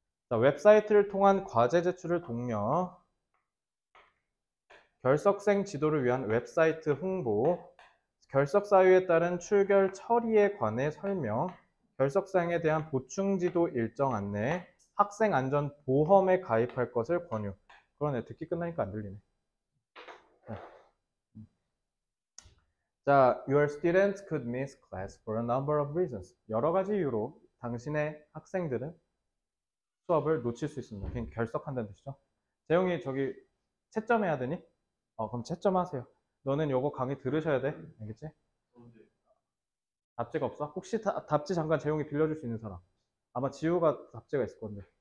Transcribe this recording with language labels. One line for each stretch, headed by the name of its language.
Korean: 자, 웹사이트를 통한 과제 제출을 독려. 결석생 지도를 위한 웹사이트 홍보. 결석 사유에 따른 출결 처리에 관해 설명. 결석생에 대한 보충 지도 일정 안내. 학생 안전 보험에 가입할 것을 권유. 그러네. 듣기 끝나니까 안 들리네. 자,
English: your students could miss class for a number of reasons.
Korean: 여러 가지 이유로 당신의 학생들은 수업을 놓칠 수 있습니다. 그냥 결석한다는 뜻이죠. 재용이 저기 채점해야 되니? 그럼 채점하세요. 너는 요거 강의 들으셔야 돼. 알겠지? 답지가 없어? 혹시 답지 잠깐 재용이 빌려줄 수 있는 사람? 아마 지우가 답지가 있을 건데.